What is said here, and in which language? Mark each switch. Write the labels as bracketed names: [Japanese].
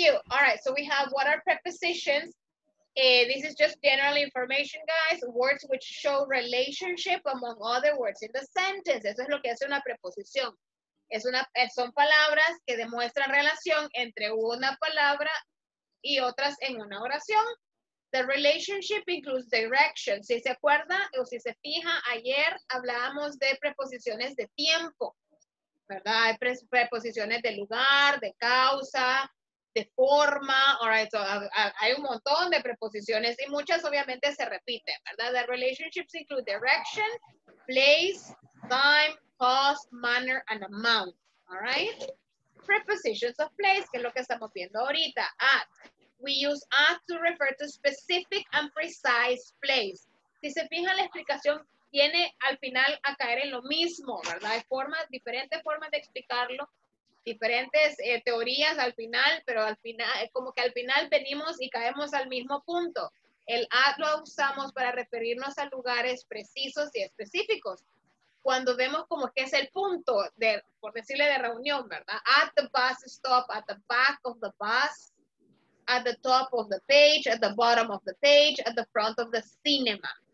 [English] All right, so we have, what are prepositions? This is just general information, guys. Words which show relationship among other words in the sentence. [Spanish] Eso es lo que hace una preposición. Son palabras que demuestran relación entre una palabra y otras en una oración. [English] The relationship includes direction. [Spanish] Si se acuerda o si se fija, ayer hablábamos de preposiciones de tiempo, ¿verdad? Hay preposiciones de lugar, de causa, de forma. [English] All right, so [Spanish] hay un montón de preposiciones y muchas obviamente se repiten, ¿verdad? [English] The relationships include direction, place, time, cause, manner, and amount. All right? Prepositions of place, [Spanish] que es lo que estamos viendo ahorita. At. [English] We use at to refer to specific and precise place. [Spanish] Si se fija, la explicación viene al final a caer en lo mismo, ¿verdad? Hay formas, diferentes formas de explicarlo, diferentes teorías al final, pero al final, como que al final venimos y caemos al mismo punto. El at lo usamos para referirnos a lugares precisos y específicos. Cuando vemos como que es el punto, por decirle de reunión, ¿verdad? [English] At the bus stop, at the back of the bus, at the top of the page, at the bottom of the page, at the front of the cinema.